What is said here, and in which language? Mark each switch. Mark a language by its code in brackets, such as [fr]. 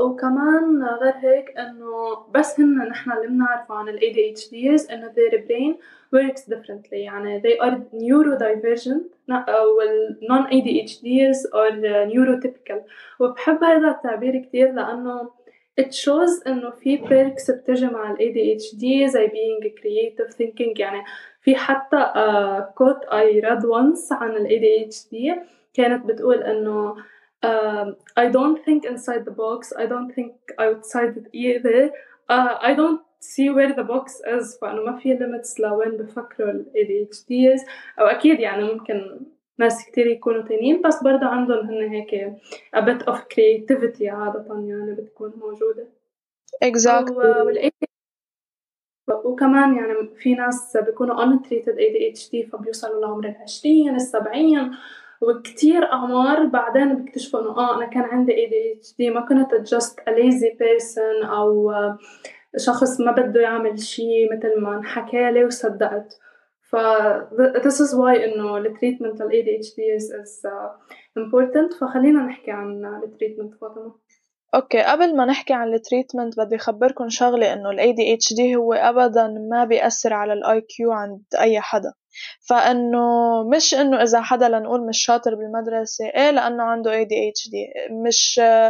[ar] وكمان غير هيك انه بس هن نحن اللي بنعرف عن ال ADHD is انه [en] their brain works differently، [ar] يعني [en] they are neurodivergent [ar] وال [en] non ADHD is or neurotypical. [ar] وبحب هذا التعبير كتير لانه [en] it shows [ar] انه في perks بتجي مع ال ADHD زي [en] being creative thinking. [ar] يعني في حتى [en] quote I read once [ar] عن ال ADHD كانت بتقول انه [en] I don't think inside the box. I don't think outside it either. I don't see where the box is. [ar] فأنا ما في limits لوين بفكروا ال ADHD is. أو أكيد يعني ممكن ناس كتير يكونوا تانين بس برضه عندهم هن هيك [en] a bit of creativity [ar] عادة يعني بتكون موجودة. [en] Exactly. [ar] وكمان يعني في ناس بيكونوا [en] untreated ADHD [ar] فبيوصلوا لعمر 20-70 وكتير أعمار بعدين بيكتشفوا إنه أنا كان عندي ADHD ما كنت [en] just a lazy person [ar] أو شخص ما بده يعمل شيء مثل ما حكالي وصدقت. [en] ف this is why إنه the treatment of ADHD is important. [ar] فخلينا نحكي عن [en] the treatment [ar] فاطمة. اوكي قبل ما نحكي عن التريتمنت بدي اخبركم شغله انه الاي دي اتش دي هو ابدا ما بياثر على الاي كيو عند اي حدا فانه مش انه اذا حدا لنقول مش شاطر بالمدرسه ايه لانه عنده اي دي اتش دي مش